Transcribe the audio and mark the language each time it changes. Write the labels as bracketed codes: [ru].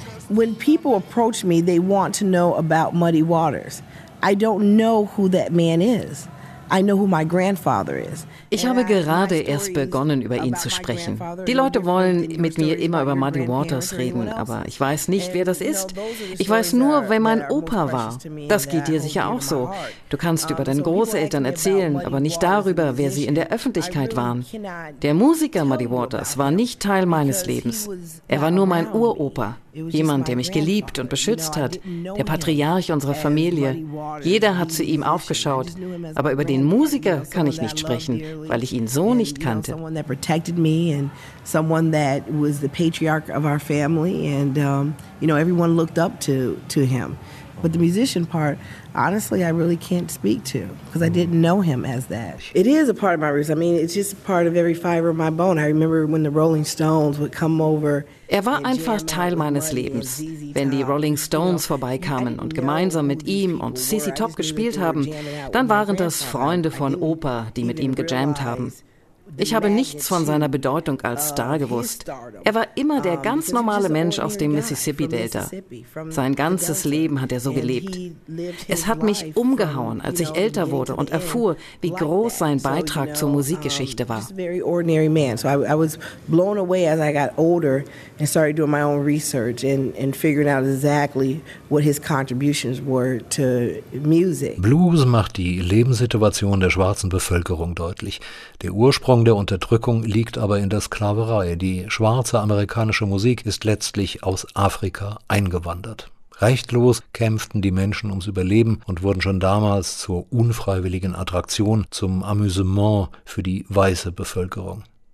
[en] When people approach me, they want to know about Muddy Waters. I don't know who that man is. I know who my grandfather is. [de] Ich habe gerade erst begonnen, über ihn zu sprechen. Die Leute wollen mit mir immer über Muddy Waters reden, aber ich weiß nicht, wer das ist. Ich weiß nur, wer mein Opa war. Das geht dir sicher auch so. Du kannst über deine Großeltern erzählen, aber nicht darüber, wer sie in der Öffentlichkeit waren. Der Musiker Muddy Waters war nicht Teil meines Lebens. Er war nur mein Uropa. Jemand, der mich geliebt und beschützt hat. Der Patriarch unserer Familie. Jeder hat zu ihm aufgeschaut. Aber über den Musiker kann ich nicht sprechen, weil ich ihn so nicht kannte. [en] Someone that protected me and someone that was the patriarch of our family and everyone looked up to him But the musician part, honestly, I really can't speak to because I didn't know him as that. It is a part of my roots. I mean, it's just part of every fiber of my bone. I remember when the Rolling Stones would come over. [de] Er war einfach Teil meines Lebens. Wenn die Rolling Stones vorbeikamen und gemeinsam mit ihm und ZZ Top gespielt haben, dann waren das Freunde von Opa, die mit ihm gejammt haben. Ich habe nichts von seiner Bedeutung als Star gewusst. Er war immer der ganz normale Mensch aus dem Mississippi-Delta. Sein ganzes Leben hat er so gelebt. Es hat mich umgehauen, als ich älter wurde und erfuhr, wie groß sein Beitrag zur Musikgeschichte war. [en] I was blown away as I got older and started doing my own research and figuring out exactly what his contributions were to music. [de] Blues macht die Lebenssituation der schwarzen Bevölkerung deutlich. Der Ursprung der Unterdrückung liegt aber in der Sklaverei. Die schwarze amerikanische Musik ist letztlich aus Afrika eingewandert. Rechtlos kämpften die Menschen ums Überleben und wurden schon damals zur unfreiwilligen Attraktion, zum Amüsement für die weiße Bevölkerung.